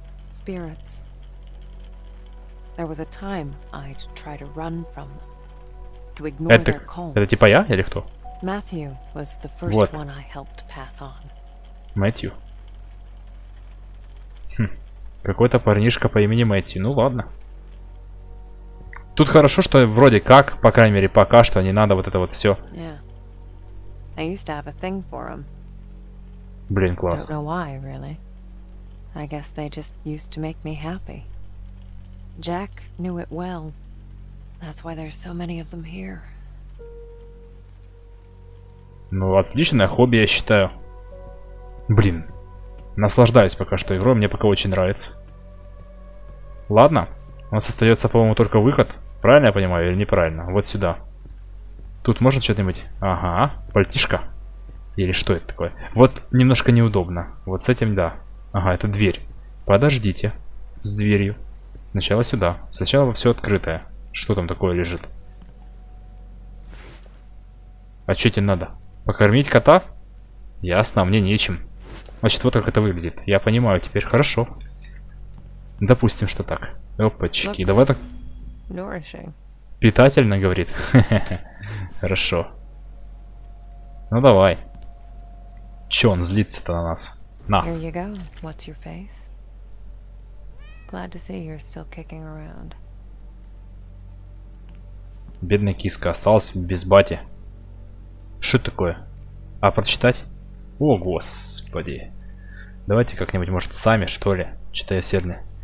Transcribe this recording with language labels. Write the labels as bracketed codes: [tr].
[en] Spirits. There was a time I'd try to run from them, to ignore their calls. [ru] Это типа я или кто? [en] Matthew was the first one I helped pass on. Matthew. [ru] Какой-то парнишка по имени Мэтью. Ну ладно. Тут хорошо, что вроде как, по крайней мере, пока что не надо вот это вот все. [en] I used to have a thing for him. [ru] Блин, класс. [en] Don't know why, really. I guess they just used to make me happy. Jack knew it well. That's why there's so many of them here. [ru] Ну, отличное хобби, я считаю. Блин, наслаждаюсь пока что игрой, мне пока очень нравится. Ладно, у нас остается, по-моему, только выход. Правильно я понимаю или неправильно? Вот сюда. Тут можно что-нибудь? Ага, пальтишко. Или что это такое? Вот немножко неудобно. Вот с этим, да. Ага, это дверь. Подождите. С дверью. Сначала сюда. Сначала все открытое. Что там такое лежит? А что тебе надо? Покормить кота? Ясно, мне нечем. Значит, вот как это выглядит. Я понимаю теперь. Хорошо. Допустим, что так. Опачки, давай так... Питательно, говорит. Хорошо. Ну давай. Че он злится-то на нас? На. [en] Here you go. What's your face? Glad to see you're still kicking around. [ru] Бедная киска осталась без бати. Что такое? А прочитать? О, господи. Давайте как-нибудь, может, сами, что ли? Читая сердце.